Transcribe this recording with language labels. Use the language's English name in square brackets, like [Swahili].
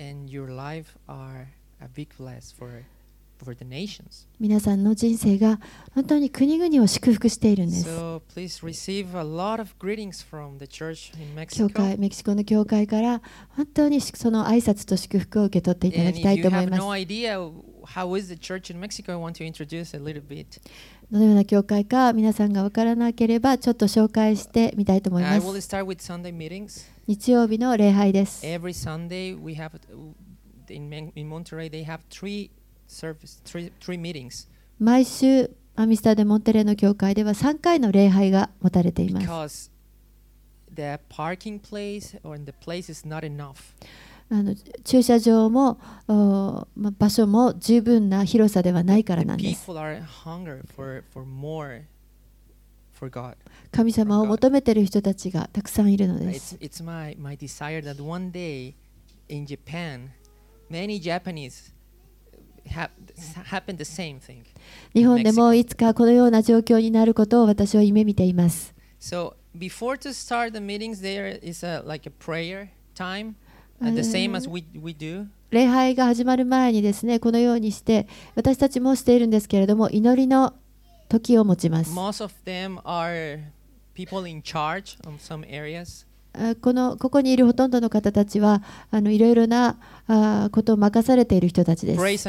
[English] And your life are a big blessing for. [Japanese] 皆さんの人生が本当に国々を祝福しているんです。教会、メキシコの教会から本当にその挨拶と祝福を受け取っていただきたいと思います。 [English] And if you have no idea how is the church in Mexico, I want to introduce a little bit. [Japanese] どのような教会か皆さんが分からなければちょっと紹介してみたいと思います。 [English] I will start with Sunday meetings. [Japanese] 日曜日の礼拝です。 [English] Every Sunday we have in Monterrey they have threeservice three meetings. [Japanese] 毎週アミスタデモンテレの教会では3回の礼拝が持たれています。 [English] Because the parking place or the place is not enough. [Japanese] 駐車場も場所も十分な広さではないからなんです。 [English] People are hunger for more for God. [Japanese] 神様を求めている人たちがたくさんいるのです。 [English] It's my desire that one day in Japan, many Japanese. Happened the same thing. [Japanese] 日本でもいつかこのような状況になることを私は夢見ています。 [English] So before to start the meetings, there is a like a prayer time, the same as we do. [Japanese] 礼拝が始まる前にですね、このようにして私たちもしているんですけれども、祈りの時を持ちます。 [English] Most of them are people in charge of some areas. [Japanese] ここにいるほとんどの方たちはいろいろなことを任されている人たちです。